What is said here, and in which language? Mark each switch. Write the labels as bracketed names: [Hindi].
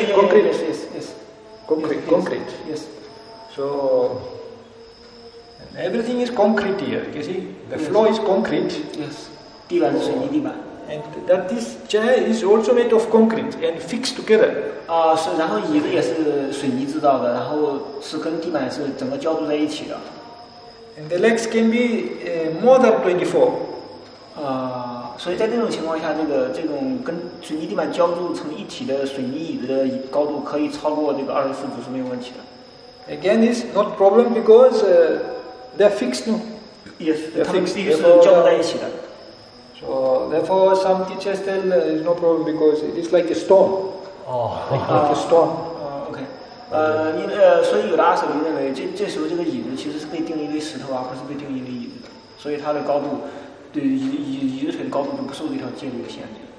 [English] yeah, concrete. Yeah, yes, yes, yes. Concrete. Yes, concrete. Yes, yes. So everything is concrete here. You see, the floor is concrete. Yes. Divan, so any divan. And that this chair is also made of concrete and fixed together. Ah, so. [Chinese] 然后椅子也是水泥制造的，然后是跟地板是整个浇筑在一起的。 [English] And the legs can be more than 24. [Chinese] 所以在这种情况下，这种跟水泥地板浇筑成一体的水泥椅子的高度可以超过这个24指是没有问题的。 [English] Again, it's not problem because they're fixed. No? Yes, they're fixed. [Chinese] 他们必须是浇在一起的。 [English] So therefore, some teachers tell it's no problem because it's like a stone. Oh, like a stone. [Chinese] 所以有的阿舍林认为这时候这个椅子其实是被定义为石头啊，不是被定义为椅子的，所以它的高度对椅子腿的高度都不受这条戒律的限制。